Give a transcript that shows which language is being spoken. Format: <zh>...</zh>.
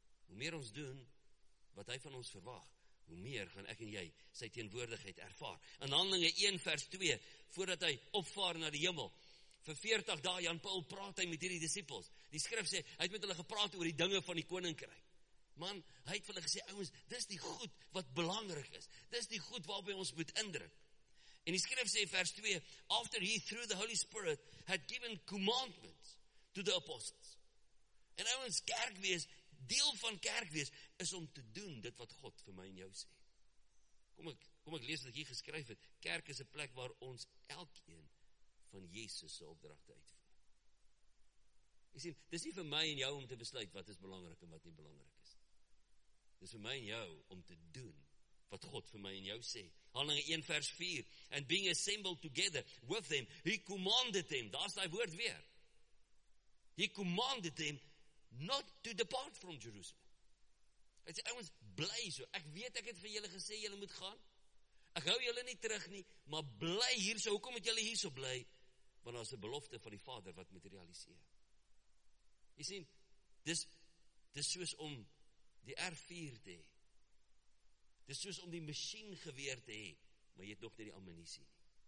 <af>Hoe meer ons doen wat hy van ons verwag, hoe meer gaan ek en jy sy teenwoordigheid ervaar. In Handelinge 1 vers 2, voordat hy opvaar na die hemel, vir 40 dae, Jan Paul praat hy met hierdie disciples. Die skrif sê, hy het met hulle gepraat oor die dinge van die koninkryk. Man, hy het vir hulle gesê, ouwens, dis die goed wat belangrijk is. Dis die goed waarop hy ons moet indruk. En die skrif sê vers 2,</af> <en>after he through the Holy Spirit had given commandments to the apostles.</en> <af>En ouwens, kerkwees, deel van kerkwees, is om te doen dit wat God vir my en jou sê. Kom ek lees wat ek hier geskryf het. Kerk is 'n plek waar ons elkeen van Jesus se opdragte uitvoer. Jy sien, dis nie vir my en jou om te besluit wat is belangrik en wat nie belangrik is. Dis vir my en jou om te doen wat God vir my en jou sê. Handelinge 1 vers 4,</af> <en>and being assembled together with them, he commanded them,</en> <af>daar is die woord weer,</af> <en>he commanded them not to depart from Jerusalem.</en> <af>Hy sê, ouwens, bly so, ek weet ek het vir julle gesê, julle moet gaan, ek hou julle nie terug nie, maar bly hier so, hoekom moet julle hier so bly, want daar is 'n belofte van die Vader wat moet realiseer. Jy sien, dis soos om die R4 te hee, dis soos om die machine geweer te hee, maar jy het nog nie die ammunisie nie.</af>